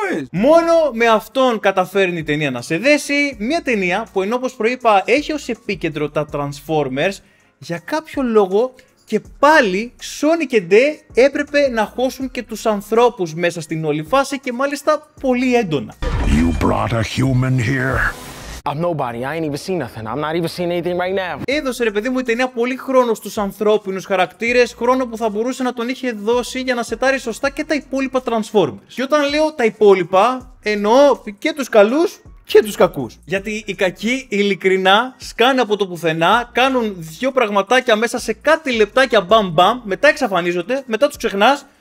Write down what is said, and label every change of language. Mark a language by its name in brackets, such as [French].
[Greek] Μόνο με αυτόν καταφέρνει η ταινία να σε δέσει. Μια ταινία που ενώ όπως προείπα έχει ως επίκεντρο τα Transformers, για κάποιο λόγο και πάλι Sony και Day έπρεπε να χώσουν και τους ανθρώπους μέσα στην όλη φάση και μάλιστα πολύ έντονα. [English] You brought a human here. I'm nobody, I ain't even seen nothing. I'm not even seeing anything right now. [Greek] Έδωσε ρε παιδί μου η ταινία πολύ χρόνο στους ανθρώπινους χαρακτήρες, χρόνο που θα μπορούσε να τον είχε δώσει για να σετάρει σωστά και τα υπόλοιπα Transformers. Και όταν λέω τα υπόλοιπα, εννοώ και τους καλούς και τους κακούς. Γιατί οι κακοί ειλικρινά σκάνε από το πουθενά, κάνουν δύο πραγματάκια μέσα σε κάτι λεπτάκια μπαμ μπαμ, μετά εξαφανίζονται, μετά τους ξεχνάς